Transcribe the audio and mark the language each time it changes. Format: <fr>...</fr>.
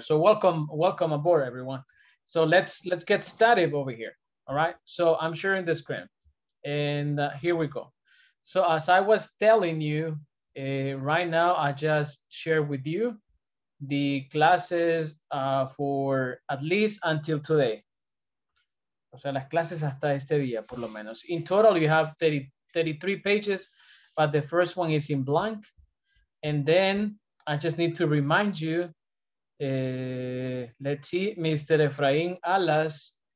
<en>So welcome aboard, everyone. So let's get started over here. All right, so I'm sharing the screen and here we go. So as I was telling you, right now I just shared with you the classes for at least until today.</en> <es>O sea, las clases hasta este día, por lo menos.</es> <en>In total, you have 33 pages, but the first one is in blank. And then I just need to remind you, let's see, Mr. Efraín Alas,</en>